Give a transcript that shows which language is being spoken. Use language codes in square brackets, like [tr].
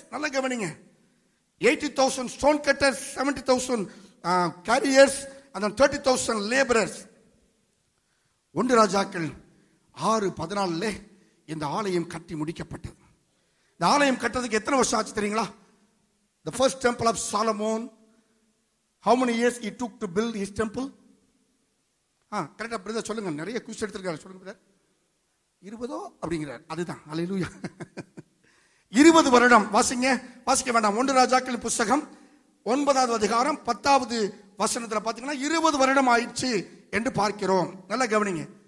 [ta] நல்லா கவனிங்க, [en] 80,000 stone cutters, 70,000 carriers and then 30,000 laborers. [ta] 1 ராஜாக்கள் 6:14 இந்த ஆலயம் கட்டி முடிக்கப்பட்டது. இந்த ஆலயம் கட்டதுக்கு எத்தனை வருஷம் ஆச்சு தெரியுங்களா? [en] The first temple of Solomon, how many years he took to build his temple? [ta] கரெக்டா பிரதர் சொல்லுங்க, நிறைய குயிஸ் எடுத்திருக்காரு சொல்லுங்க பிரதர். 20 அப்படிங்கிறார், அதுதான். அல்லேலூயா. 20 வருடம் வாசிங்க, வாசிக்க வேண்டாம். 1 ராஜாக்கள் புஸ்தகம் 9:10 பார்த்தீங்கன்னா 20 வருடம் ஆயிடுச்சு என்று பார்க்கிறோம். நல்லா கவனிங்க.